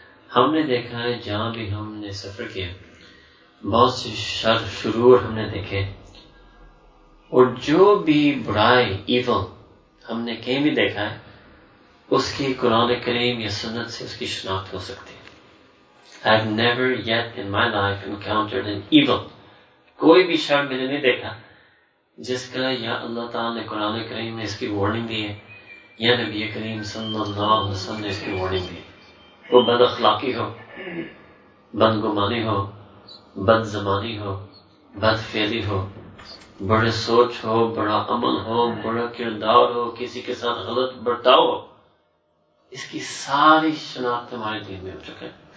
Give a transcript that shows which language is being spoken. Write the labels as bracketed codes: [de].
[ur] ہم نے دیکھا ہے جہاں بھی ہم نے سفر کیا بہت سے شر شرور ہم نے دیکھے, اور جو بھی برائے ایول ہم نے کہیں بھی دیکھا ہے اس کی قرآن کریم یا سنت سے اس کی شناخت ہو سکتی ہے. [en] I've never yet in my life encountered an evil. [ur] کوئی بھی شر میں نے نہیں دیکھا جس کا یا اللہ تعالیٰ نے قرآن کریم میں اس کی وارننگ دی ہے یا نبی کریم صلی اللہ علیہ وسلم نے اس کی وارننگ دی. وہ بد اخلاقی ہو, بد گمانی ہو, بد زبانی ہو, بد فعلی ہو, بڑے سوچ ہو, بڑا عمل ہو, بڑا کردار ہو, کسی کے ساتھ غلط برتاؤ ہو, اس کی ساری شناخت ہمارے دین میں ہو چکے.